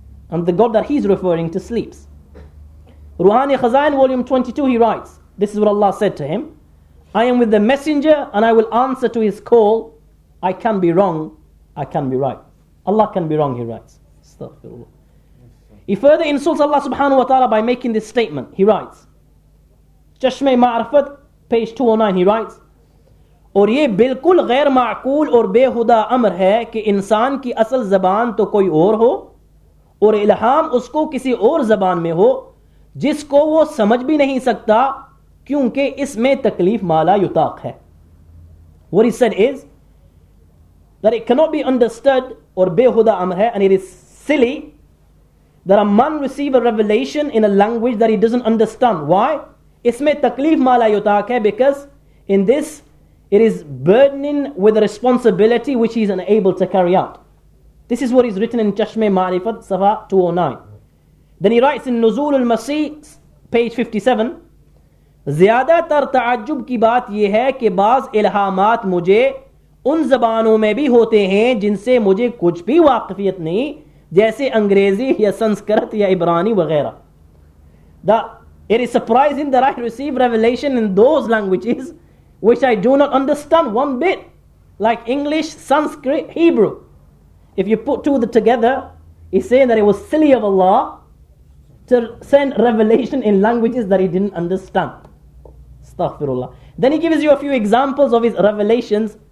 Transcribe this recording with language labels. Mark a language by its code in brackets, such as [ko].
[en] And the God that He is referring to sleeps. Ruhani Khazain, volume 22, he writes, this is what Allah said to him. I am with the messenger and I will answer to his call. I can be wrong, I can be right. Allah can be wrong, he writes. He further insults Allah subhanahu wa ta'ala by making this statement. He writes, [ur] چشمۂ معرفت, [en] page 209, he writes, [ur] اور یہ بالکل غیر معقول اور بیہودہ امر ہے کہ انسان کی اصل زبان تو کوئی اور ہو اور الہام اس کو کسی اور زبان میں ہو جس کو وہ سمجھ بھی نہیں سکتا کیونکہ اس میں تکلیف ما لا یطاق ہے۔ [en] What he said is that it cannot be understood [ur] aur behuda amr hai, [en] and it is silly that a man receive a revelation in a language that he doesn't understand. Why? [ur] Isme takleef mala yutaq hai, [en] because in this it is burdening with a responsibility which he is unable to carry out. This is what is written in Chashme Ma'rifat, Safa 209. Then he writes in [ur] نزول المسیح, [en] page 57, [ur] زیادہ تر تعجب کی بات یہ ہے کہ بعض الہامات مجھے ان زبانوں میں بھی ہوتے ہیں جن سے مجھے کچھ بھی واقفیت نہیں، جیسے انگریزی یا سنسکرت یا عبرانی وغیرہ۔ [en] That it is surprising that I receive revelation in those languages which I do not understand one bit, like English, Sanskrit, Hebrew. If you put two together, he's saying that it was silly of Allah to send revelation in languages that he didn't understand. Astaghfirullah. Then he gives you a few examples of his revelations